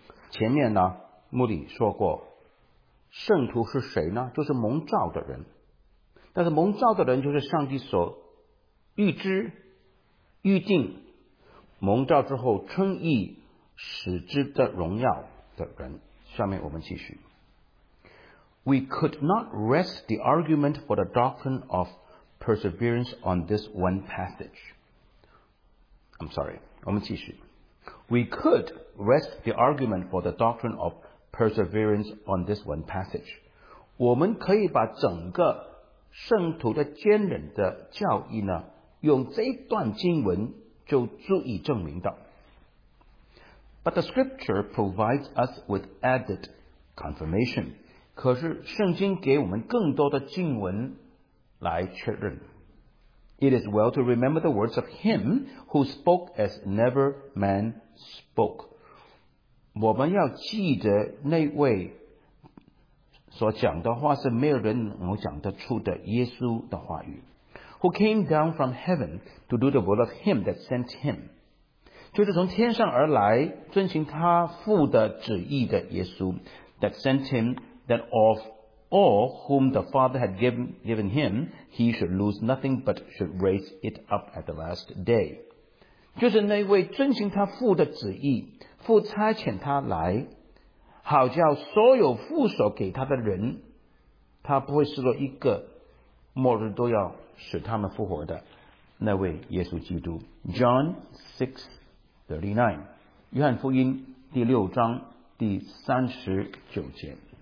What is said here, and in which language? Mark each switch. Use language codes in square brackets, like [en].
[zh] 前面呢，穆里说过，圣徒是谁呢？就是蒙召的人。但是蒙召的人就是上帝所预知、预定，蒙召之后称义、使之的荣耀。下面我们继续。 [en] We could not rest the argument for the doctrine of perseverance on this one passage. I'm sorry, [zh] 我们继续。 [en] We could rest the argument for the doctrine of perseverance on this one passage. [zh] 我们可以把整个圣徒的坚忍的教义呢，用这一段经文就足以证明的。 [en] But the scripture provides us with added confirmation. [zh] 可是圣经给我们更多的经文来确认。 [en] It is well to remember the words of him who spoke as never man spoke. [zh] 我们要记得那位所讲的话是没有人能够讲得出的耶稣的话语。 [en] Who came down from heaven to do the will of him that sent him. [zh] 就是从天上而来遵行他父的旨意的耶稣 [en] that sent him that of all whom the Father had given him he should lose nothing but should raise it up at the last day [zh] 就是那位遵行他父的旨意父差遣他来好叫所有父所给他的人他不会失落一个末日都要使他们复活的那位耶稣基督 John 639, 约翰福音第六章第三十九节